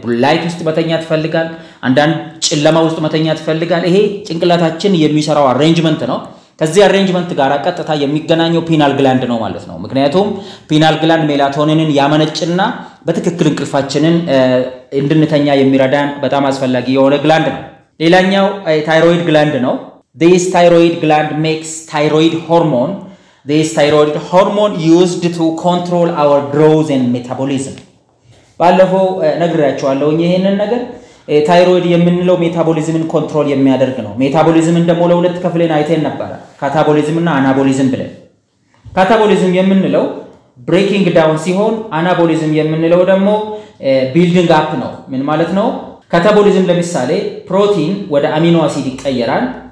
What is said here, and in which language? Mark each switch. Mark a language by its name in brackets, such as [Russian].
[Amharic] ላይት ውስጥ መተኛት ይፈልጋል አንዳንድ ጨለማ ውስጥ መተኛት ይፈልጋል ይሄ ጭንቅላታችን የሚሰራው አሬንጅመንት ነው ከዚህ አሬንጅመንት ጋር አቀጣታ የሚገናኘው ፒናል ግላንድ ነው ማለት ነው ምክንያቱም ፒናል ግላንድ ሜላቶኒንን ያመነጭና በትክክል እንቅልፋችንን እንድንተኛ የሚረዳን በጣም አስፈላጊ የሆነ ግላንድ ነው ሌላኛው ታይሮይድ ግላንድ ነው [English] This thyroid gland makes thyroid hormone. This thyroid hormone used to control our growth and metabolism. [Amharic] ባለፈው ነግሬያችኋለሁ ይሄንን ነገር thyroid የምንለው metabolismን control የሚያደርግ ነው. metabolismን ደግሞ ለሁለት ከፍለን አይተን ነበር. catabolism እና anabolism ብለን. catabolism የምንለው [English] breaking down [Amharic] ሲሆን anabolism የምንለው ደግሞ [English] building up [Amharic] ነው. ምን ማለት ነው? catabolism ለምሳሌ protein ወደ amino acid ይቀየራል.